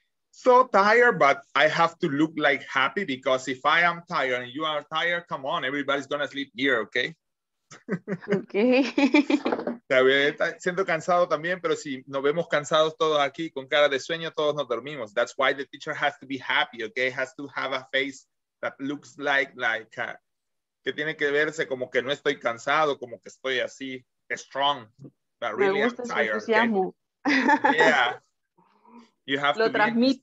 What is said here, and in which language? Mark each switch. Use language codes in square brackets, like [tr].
[en] So tired, but I have to look like happy because if I am tired and you are tired, come on, everybody's gonna sleep here, okay? Okay. [es] Siento cansado también, pero si nos vemos cansados todos aquí con cara de sueño, todos nos dormimos. [en] That's why the teacher has to be happy, okay? Has to have a face that looks like [es] que tiene que verse como que no estoy cansado, como que estoy así strong, [en] but really I'm tired. Okay? Yeah. You have [es] lo [en] to [es] transmite.